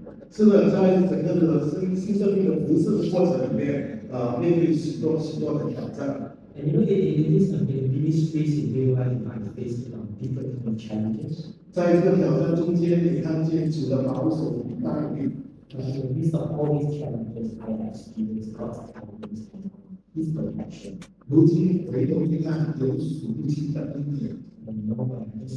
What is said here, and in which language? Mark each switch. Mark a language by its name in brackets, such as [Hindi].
[Chinese] 是的，在整个的新生命的服侍的过程里面，面对许多许多的挑战。 [English] And you know that in this ministry in real life, we are facing different kind of challenges. [Chinese] 在这个挑战中间，你看见主的保守与带领。 [English] In the midst of all these challenges, I have experienced God's kindness, His protection. [Chinese] 如今回头一看，有数不清的恩典。